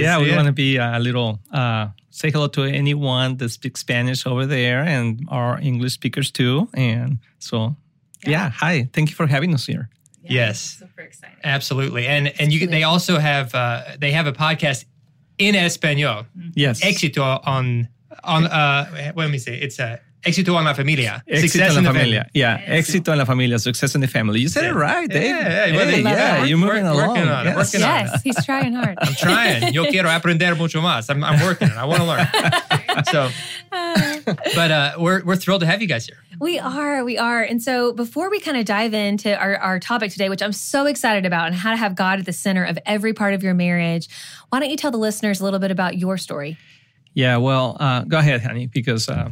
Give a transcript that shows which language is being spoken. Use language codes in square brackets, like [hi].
[en] Yeah, we want to be a little, say hello to anyone that speaks Spanish over there and our English speakers too. And so, hi, thank you for having us here. Yes. Super exciting. Absolutely. And you, they also have, they have a podcast in Espanol. Yes. Éxito on let me see. It's a Éxito en la Familia. Success in the Familia. Yeah. Éxito en la Familia. Success in the Family. You said it right, Dave. You're moving along. Working on it. He's trying hard. I'm trying. [es] Yo quiero aprender mucho más. [en] I'm working. I want to learn. So we're thrilled to have you guys here. We are. And so before we kind of dive into our topic today, which I'm so excited about, and how to have God at the center of every part of your marriage, why don't you tell the listeners a little bit about your story? Yeah, well, go ahead, honey, because...